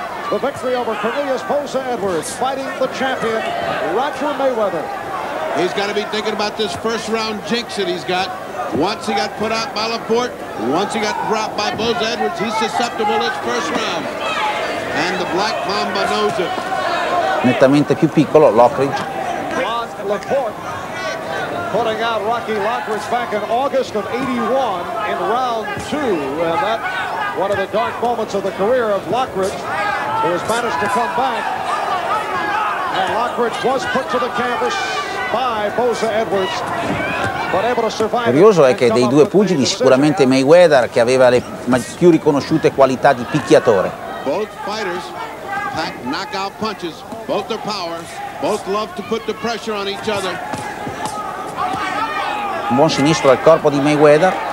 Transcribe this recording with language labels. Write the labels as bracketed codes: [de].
[en] The victory over Cornelius Posa Edwards, fighting the champion, Roger Mayweather. He's got to be thinking about this first round jinx that he's got. Once he got put out by Laporte, once he got dropped by Posa Edwards, he's susceptible this first round. And the Black Mamba knows it. [it] Nettamente più piccolo, Lockridge. [en] Ron Laporte putting out Rocky Lockridge back in August of 81 in round two. And that one of the dark moments of the career of Lockridge. He has managed to come back, and Lockridge was put to the canvas by Posa Edwards, but able to survive. [it] Curioso è che dei due pugili sicuramente Mayweather che aveva le più riconosciute qualità di picchiatore. [en] Both fighters pack knockout punches, both their power, both love to put the pressure on each other. [it] Un buon sinistro al corpo di Mayweather.